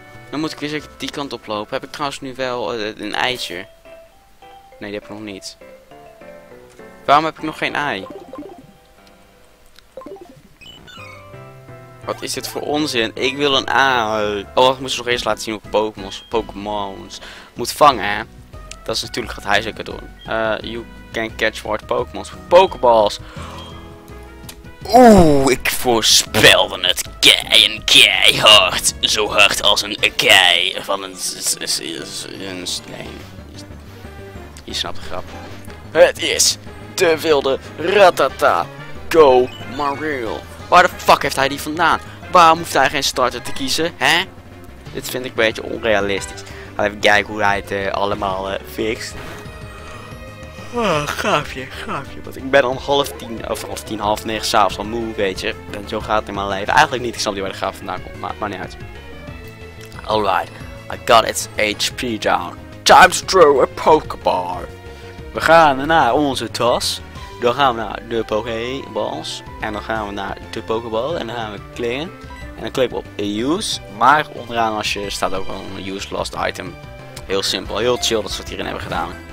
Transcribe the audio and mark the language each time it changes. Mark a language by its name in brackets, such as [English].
[Dutch] Dan moet ik weer zeker die kant oplopen. Heb ik trouwens nu wel een ijsje? Nee, die heb ik nog niet. Waarom heb ik nog geen ei? Wat is dit voor onzin? Ik wil een ei. Oh, ik moet ze nog eens laten zien hoe Pokémon's moet vangen, hè? Dat is natuurlijk wat hij zeker doen. [English] You can catch more Pokémon's. Pokéballs. [Dutch] Oeh, ik voorspelde het keihard. Zo hard als een kei van een steen. Je snapt de grap. Het is de wilde Rattata. Go Mareel. Waar de fuck heeft hij die vandaan? Waarom hoeft hij geen starter te kiezen, hè? Dit vind ik een beetje onrealistisch. Laten we kijken hoe hij het allemaal fixt. Oh, gaafje, gaafje. Want ik ben om 9:30, of 10:30, 8:30 s'avonds al moe, weet je. En zo gaat het in mijn leven. Eigenlijk niet, ik snap niet waar de graaf vandaan komt, maar maakt niet uit. [English] Alright, I got its HP down. Time to throw a Pokeball. [Dutch] We gaan naar onze tas. Dan gaan we naar de Pokéballs. En dan gaan we naar de Pokéball. En dan gaan we klikken. En dan klikken we op Use. Maar onderaan als je staat ook wel een Use Lost Item. Heel simpel. Heel chill dat ze het hierin hebben gedaan.